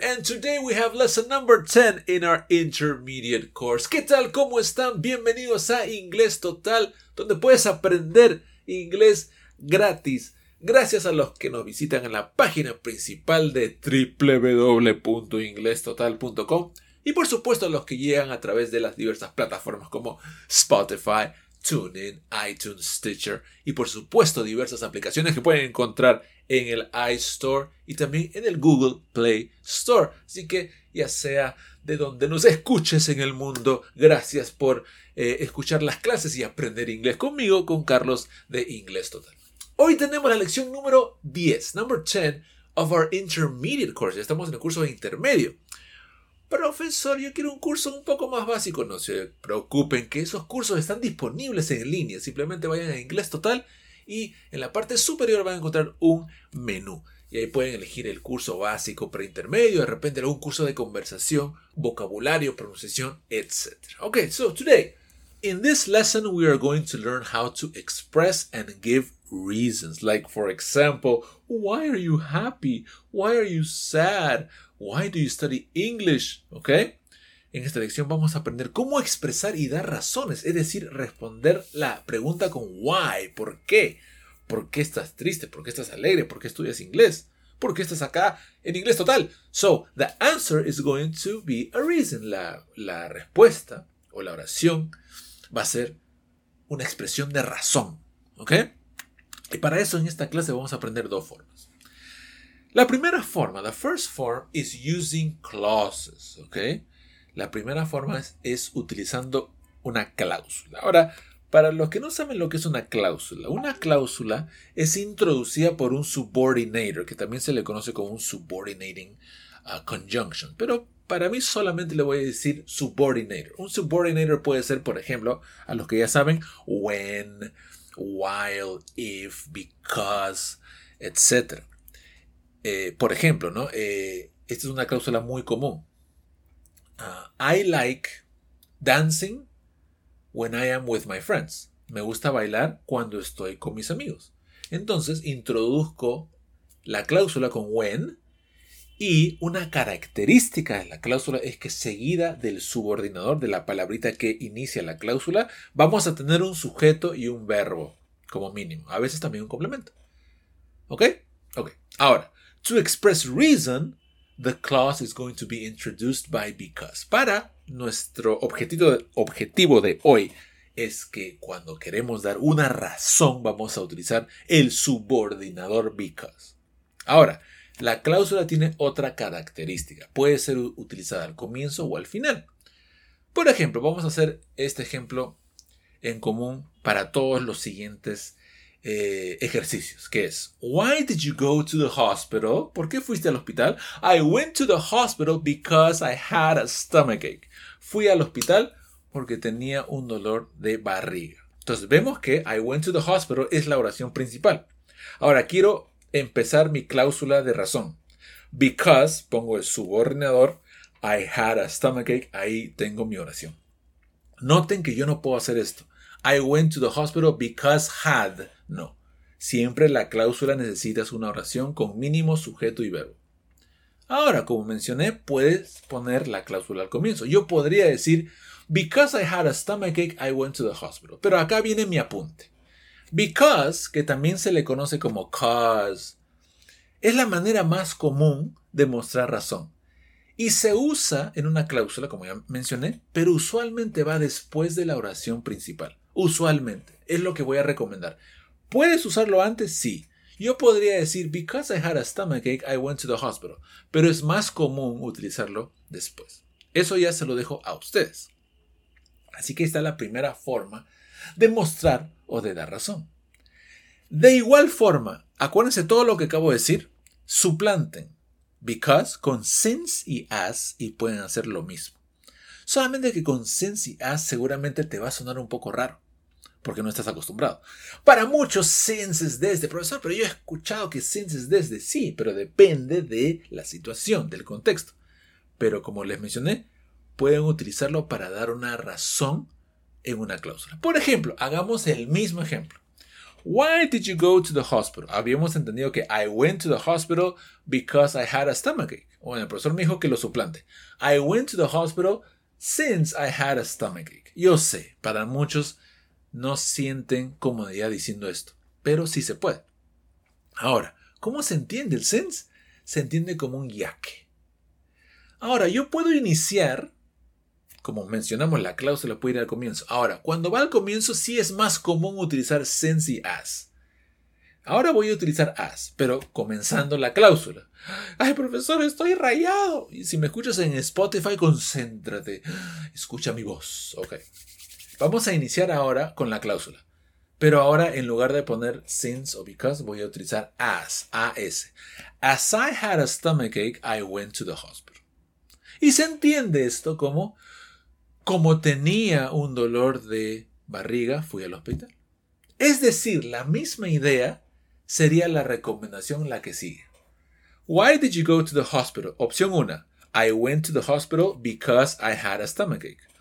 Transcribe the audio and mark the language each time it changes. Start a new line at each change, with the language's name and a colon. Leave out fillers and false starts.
English: And today we have lesson number 10 in our intermediate course.
Spanish: ¿Qué tal? ¿Cómo están? Bienvenidos a Inglés Total, donde puedes aprender inglés gratis. Gracias a los que nos visitan en la página principal de www.inglestotal.com y por supuesto a los que llegan a través de las diversas plataformas como Spotify, TuneIn, iTunes, Stitcher y por supuesto diversas aplicaciones que pueden encontrar en el iStore y también en el Google Play Store. Así que ya sea de donde nos escuches en el mundo, gracias por escuchar las clases y aprender inglés conmigo, con Carlos de Inglés Total. Hoy tenemos la lección número 10,
English: number 10 of our intermediate course.
Spanish: Ya estamos en el curso de intermedio. Profesor, yo quiero un curso un poco más básico. No se preocupen que esos cursos están disponibles en línea. Simplemente vayan a Inglés Total y en la parte superior van a encontrar un menú. Y ahí pueden elegir el curso básico, preintermedio, de repente algún curso de conversación, vocabulario, pronunciación, etc.
English: Ok, so today, in this lesson we are going to learn how to express and give reasons, like for example, why are you happy? Why are you sad? Why do you study English? Okay?
Spanish: En esta lección vamos a aprender cómo expresar y dar razones, es decir, responder la pregunta con why, ¿por qué? ¿Por qué estás triste? ¿Por qué estás alegre? ¿Por qué estudias inglés? ¿Por qué estás acá en Inglés Total?
English: So, the answer is going to be a reason.
Spanish: La respuesta o la oración va a ser una expresión de razón, okay? Y para eso en esta clase vamos a aprender dos formas. La primera forma,
English: the first form, is using clauses,
Spanish: ¿ok? La primera forma es utilizando una cláusula. Ahora, para los que no saben lo que es una cláusula es introducida por un subordinator, que también se le conoce como un subordinating conjunction. Pero para mí solamente le voy a decir subordinator. Un subordinator puede ser, por ejemplo, a los que ya saben, when, while, if, because, etc. Por ejemplo, ¿no? Esta es una cláusula muy común.
English: I like dancing when I am with my friends.
Spanish: Me gusta bailar cuando estoy con mis amigos. Entonces, introduzco la cláusula con when y una característica de la cláusula es que seguida del subordinador, de la palabrita que inicia la cláusula, vamos a tener un sujeto y un verbo. Como mínimo. A veces también un complemento. ¿Ok? Ok.
English: Ahora, to express reason, the clause is going to be introduced by because.
Spanish: Para nuestro objetivo de hoy es que cuando queremos dar una razón, vamos a utilizar el subordinador because. Ahora, la cláusula tiene otra característica. Puede ser utilizada al comienzo o al final. Por ejemplo, vamos a hacer este ejemplo en común para todos los siguientes ejercicios, que es
English: why did you go to the hospital?
Spanish: ¿Por qué fuiste al hospital?
English: I went to the hospital because I had a stomachache.
Spanish: Fui al hospital porque tenía un dolor de barriga. Entonces vemos que
English: I went to the hospital
Spanish: es la oración principal. Ahora quiero empezar mi cláusula de razón. Because, pongo el subordinador,
English: I had a stomachache,
Spanish: ahí tengo mi oración. Noten que yo no puedo hacer esto.
English: I went to the hospital because had.
Spanish: No. Siempre la cláusula necesitas una oración con mínimo sujeto y verbo. Ahora, como mencioné, puedes poner la cláusula al comienzo. Yo podría decir,
English: because I had a stomachache, I went to the hospital.
Spanish: Pero acá viene mi apunte. Because, que también se le conoce como cause, es la manera más común de mostrar razón. Y se usa en una cláusula, como ya mencioné, pero usualmente va después de la oración principal. Usualmente. Es lo que voy a recomendar. ¿Puedes usarlo antes? Sí. Yo podría decir,
English: because I had a stomachache, I went to the hospital.
Spanish: Pero es más común utilizarlo después. Eso ya se lo dejo a ustedes. Así que esta es la primera forma de mostrar o de dar razón. De igual forma, acuérdense todo lo que acabo de decir, suplanten because con since y as y pueden hacer lo mismo. Solamente que con since y as seguramente te va a sonar un poco raro porque no estás acostumbrado. Para muchos since es desde, profesor, pero yo he escuchado que since es desde. Sí, pero depende de la situación, del contexto. Pero como les mencioné, pueden utilizarlo para dar una razón en una cláusula. Por ejemplo, hagamos el mismo ejemplo.
English: Why did you go to the hospital?
Spanish: Habíamos entendido que
English: I went to the hospital because I had a stomachache.
Spanish: Bueno, el profesor me dijo que lo suplante.
English: I went to the hospital since I had a stomachache.
Spanish: Yo sé, para muchos no sienten comodidad diciendo esto, pero sí se puede. Ahora, ¿cómo se entiende el since? Se entiende como un ya que. Ahora, yo puedo iniciar, como mencionamos, la cláusula puede ir al comienzo. Ahora, cuando va al comienzo, sí es más común utilizar since y as. Ahora voy a utilizar as, pero comenzando la cláusula. ¡Ay, profesor, estoy rayado! Y si me escuchas en Spotify, concéntrate. Escucha mi voz. Ok. Vamos a iniciar ahora con la cláusula. Pero ahora, en lugar de poner since o because, voy a utilizar as, A-S.
English: As I had a stomachache, I went to the hospital.
Spanish: Y se entiende esto como, como tenía un dolor de barriga, fui al hospital. Es decir, la misma idea sería la recomendación la que sigue.
English: Why did you go to the hospital?
Spanish: Opción 1.
English: I went to the hospital because I had a stomachache.